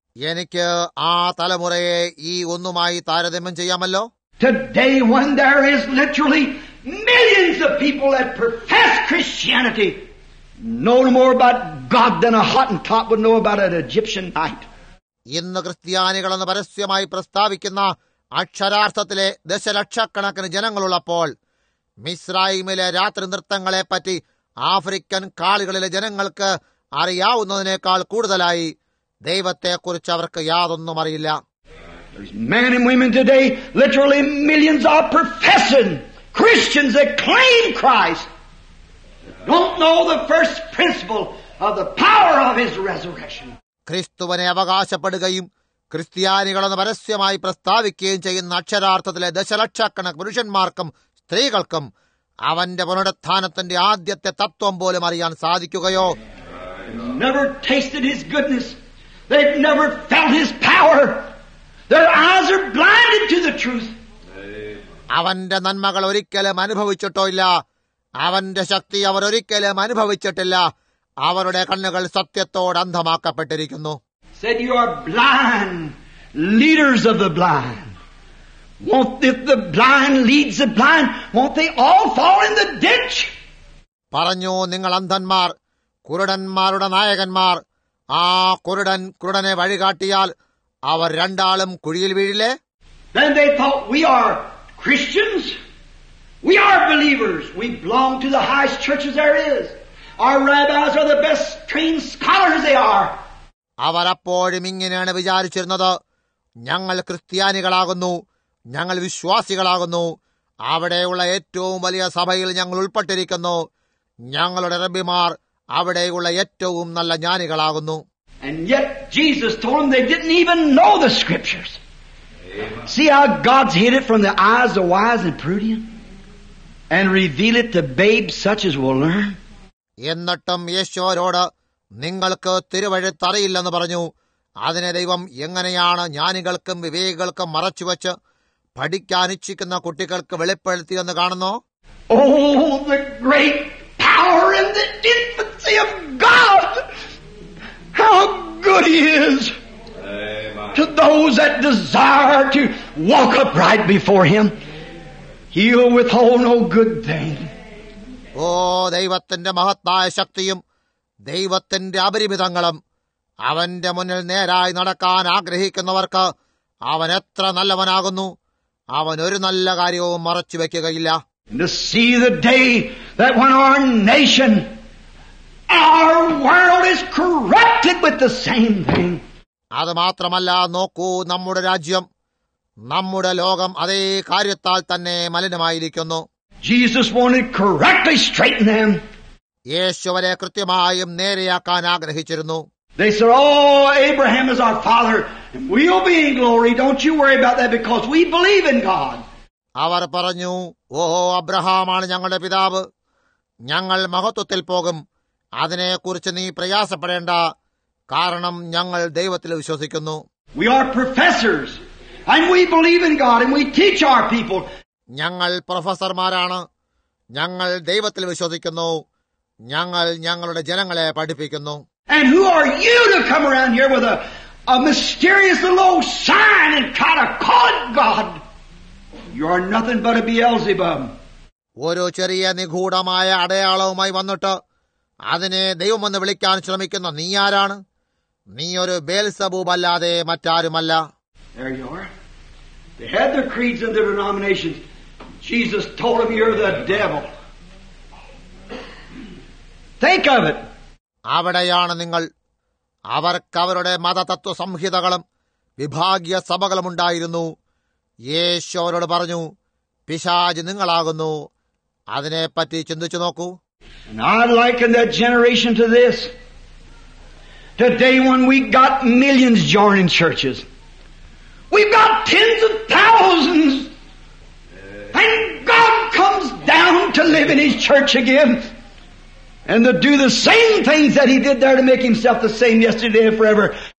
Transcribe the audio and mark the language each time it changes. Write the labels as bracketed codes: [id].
[ml] എനിക്ക് ആ തലമുറയെ ഈ ഒന്നുമായി താരതമ്യം ചെയ്യാമല്ലോ. [en] Today when there is literally millions of people that profess Christianity know more about God than a Hottentot would know about an Egyptian knight. [ml] ഇന്ന് ക്രിസ്ത്യാനികൾ എന്ന് പരസ്യമായി പ്രസ്താവിക്കുന്ന അക്ഷരാർത്ഥത്തിലെ ദശലക്ഷക്കണക്കിന് ജനങ്ങളുള്ളപ്പോൾ മിസ്രായിമിലെ രാത്രി നൃത്തങ്ങളെ പറ്റി ആഫ്രിക്കൻ കാളികളിലെ ജനങ്ങൾക്ക് അറിയാവുന്നതിനേക്കാൾ കൂടുതലായി ദൈവത്തെ കുറിച്ച് അവർക്ക് യാതൊന്നും അറിയില്ല. [en] Men and women today, literally millions are professing Christians that claim Christ, don't know the first principle of the power of his resurrection. [ml] ക്രിസ്തുവിനെ അവകാശപ്പെടുകയും ക്രിസ്ത്യാനികൾ എന്ന് പരസ്യമായി പ്രസ്താവിക്കുകയും ചെയ്യുന്ന അക്ഷരാർത്ഥത്തിലെ ദശലക്ഷക്കണക്ക് പുരുഷന്മാർക്കും സ്ത്രീകൾക്കും അവന്റെ പുനരുത്ഥാനത്തിന്റെ ആദ്യത്തെ തത്വം പോലും അറിയാൻ സാധിക്കുകയോ? [en] Never tasted his goodness. They've never felt his power. Their eyes are blinded to the truth. [ml] അവന്റെ നന്മകൾ ഒരിക്കലും അനുഭവിച്ചിട്ടോ ഇല്ല. അവന്റെ ശക്തി അവർ ഒരിക്കലും അനുഭവിച്ചിട്ടില്ല. അവരുടെ കണ്ണുകൾ സത്യത്തോട് അന്ധമാക്കപ്പെട്ടിരിക്കുന്നു. [en] Said you are blind, leaders of the blind. Won't the blind leads the blind? Won't they all fall in the ditch? [ml] പറഞ്ഞു, നിങ്ങൾ അന്ധന്മാർ, കുരുടന്മാരുടെ നായകന്മാർ. ആ കുരുടൻ കുരുടനെ വഴികാട്ടിയാൽ അവർ രണ്ടാളും കുഴിയിൽ വീഴില്ലേ? [en] Then they thought, we are Christians. We are believers. We belong to the highest churches there is. Our rabbis are the best trained scholars they are. [ml] അവർ അപ്പോഴും ഇങ്ങനെയാണ് വിചാരിച്ചിരുന്നത്, ഞങ്ങൾ ക്രിസ്ത്യാനികളാകുന്നു, ഞങ്ങൾ വിശ്വാസികളാകുന്നു, അവിടെയുള്ള ഏറ്റവും വലിയ സഭയിൽ ഞങ്ങൾ ഉൾപ്പെട്ടിരിക്കുന്നു, ഞങ്ങളുടെ റബ്ബിമാർ അവിടെയുള്ള ഏറ്റവും നല്ല ജ്ഞാനികളാകുന്നു. [en] And yet Jesus told them they didn't even know the scriptures. See how God's hid it from the eyes of wise and prudent and reveal it to babes such as will learn. [ml] എന്നിട്ടും യേശു അവരോട്, നിങ്ങൾക്ക് തിരുവഴുത്ത് അറിയില്ലെന്ന് പറഞ്ഞു. അതിനെ ദൈവം എങ്ങനെയാണ് ജ്ഞാനികൾക്കും വിവേകികൾക്കും മറച്ചുവെച്ച് പഠിക്കാനിച്ഛിക്കുന്ന കുട്ടികൾക്ക് വെളിപ്പെടുത്തിയെന്ന് കാണുന്നോ? [en] Oh, the great power and the infancy of God! How good he is to those that desire to walk upright before him. He'll withhold no good thing. [ml] ഓ, ദൈവത്തിന്റെ മഹത്തായ ശക്തിയും ദൈവത്തിന്റെ അപരിമിതങ്ങളും. അവന്റെ മുന്നിൽ നേരായി നടക്കാൻ ആഗ്രഹിക്കുന്നവർക്ക് അവൻ എത്ര നല്ലവനാകുന്നു! അവൻ ഒരു നല്ല കാര്യവും മറച്ചുവെക്കുകയില്ല. [en] To see the day that when our nation, our world is corrupted with the same thing. [ml] അത് മാത്രമല്ല, നോക്കൂ, നമ്മുടെ രാജ്യം, നമ്മുടെ ലോകം അതേ കാര്യത്താൽ തന്നെ മലിനമായിരിക്കുന്നു. [en] Jesus wanted to correctly straighten them. [ml] യേശുവരെ കൃത്യമായും നേരെയാക്കാൻ ആഗ്രഹിച്ചിരുന്നു. [en] They said, oh, Abraham is our father, and we'll be in glory. Don't you worry about that because we believe in God. [ml] അവർ പറഞ്ഞു, ഓഹോ, അബ്രഹാമാണ് ഞങ്ങളുടെ പിതാവ്, ഞങ്ങൾ മഹത്വത്തിൽ പോകും, അതിനെക്കുറിച്ച് നീ പ്രയാസപ്പെടേണ്ട, കാരണം ഞങ്ങൾ ദൈവത്തിൽ വിശ്വസിക്കുന്നു. [en] We are professors, and we believe in God, and we teach our people. [ml] ഞങ്ങൾ പ്രൊഫസർമാരാണ്, ഞങ്ങൾ ദൈവത്തിൽ വിശ്വസിക്കുന്നു, ഞങ്ങൾ ഞങ്ങളുടെ ജനങ്ങളെ പഠിപ്പിക്കുന്നു. [en] And who are you to come around here with a mysterious little old sign and try to call God? You are nothing but a Beelzebub. [ml] ഒരു ചെറിയ നിഗൂഢമായ അടയാളവുമായി വന്നിട്ട് അതിനെ ദൈവമെന്ന് വിളിക്കാൻ ശ്രമിക്കുന്ന നീ ആരാണ്? നീ ഒരു ബേൽസബൂബ് അല്ലാതെ മറ്റാരുമല്ല. [en] There you are. They had the creeds and the denominations. Jesus told them, you're the devil. Think of it. [ml] അവിടെയാണ് നിങ്ങൾ. അവർക്ക് അവരുടെ മതതത്വ സംഹിതകളും വിഭാഗീയ സഭകളും ഉണ്ടായിരുന്നു. യേശു അവരോട് പറഞ്ഞു, പിശാച് നിങ്ങളാകുന്നു. അതിനെപ്പറ്റി ചിന്തിച്ചു നോക്കൂ. [en] And I liken that generation to this. Today when we got millions joining churches, we've got tens of thousands, and God comes down to live in His church again and to do the same things that He did there to make Himself the same yesterday and forever.